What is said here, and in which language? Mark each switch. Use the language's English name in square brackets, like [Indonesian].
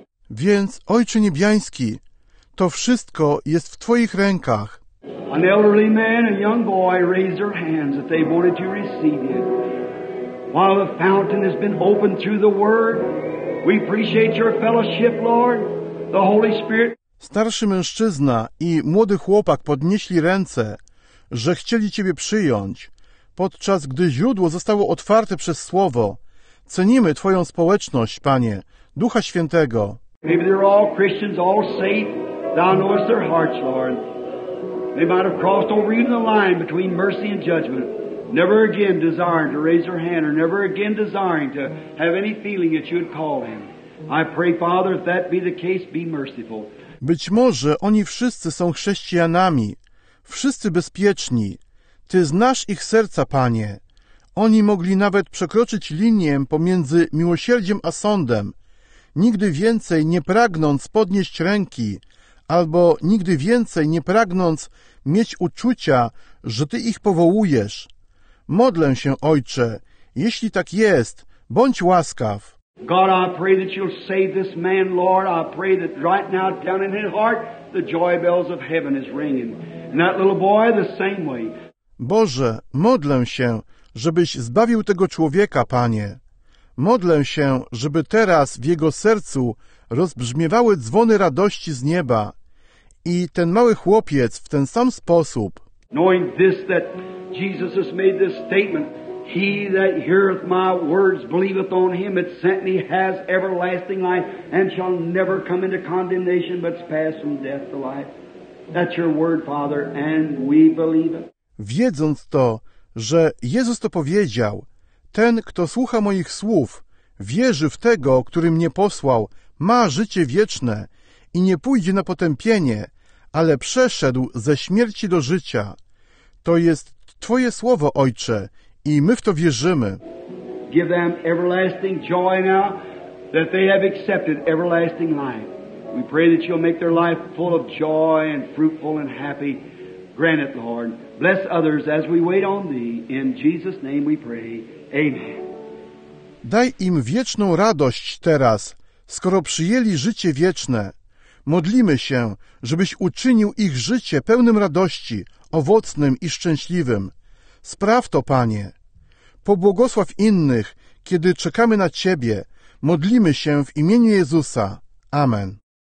[Polish] Więc, Ojcze Niebiański, to wszystko jest w Twoich rękach. [English] An elderly man, a young boy, raised their hands that they wanted to receive it. While the fountain has been opened through the Word, we appreciate your fellowship, Lord, the Holy Spirit. [Polish] Starszy mężczyzna i młody chłopak podnieśli ręce, że chcieli Ciebie przyjąć, podczas gdy źródło zostało otwarte przez Słowo. Cenimy Twoją społeczność, Panie, Ducha Świętego. [English] Maybe they're all Christians, all safe. Thou knowest their hearts, Lord. They might have crossed over even the line between mercy and judgment, never again desiring to raise their hand or never again desiring to have any feeling that you would call them. I pray, Father, if that be the case, be merciful. [Polish] Być może oni wszyscy są chrześcijanami, wszyscy bezpieczni. Ty znasz ich serca, Panie. Oni mogli nawet przekroczyć linię pomiędzy miłosierdziem a sądem, nigdy więcej nie pragnąc podnieść ręki, albo nigdy więcej nie pragnąc mieć uczucia, że Ty ich powołujesz. Modlę się, Ojcze, jeśli tak jest, bądź łaskaw. [English] God, I pray that you'll save this man, Lord. I pray that right now down in his heart the joy bells of heaven is ringing. And that little boy the same way. [Polish] Boże, modlę się, żebyś zbawił tego człowieka, Panie. Modlę się, żeby teraz w jego sercu rozbrzmiewały dzwony radości z nieba. I ten mały chłopiec w ten sam sposób. [English] Knowing this, that Jesus has made this statement, he that heareth my words, believeth on him that sent me, has everlasting life, and shall never come into condemnation, but pass from death to life. That's your word, Father, and we believe it. [Polish] Wiedząc to, że Jezus to powiedział, ten, kto słucha moich słów, wierzy w Tego, który mnie posłał, ma życie wieczne i nie pójdzie na potępienie, ale przeszedł ze śmierci do życia. To jest Twoje słowo, Ojcze, i my w to wierzymy. [English] Give them everlasting joy now that they have accepted everlasting life. We pray that you'll make their life full of joy and fruitful and happy. Grant it, Lord. Bless others as we wait on Thee. In Jesus' name we pray. Amen. [Polish] Daj im wieczną radość teraz, skoro przyjęli życie wieczne. Modlimy się, żebyś uczynił ich życie pełnym radości, owocnym i szczęśliwym. Spraw to, Panie. Pobłogosław innych, kiedy czekamy na Ciebie. Modlimy się w imieniu Jezusa. Amen.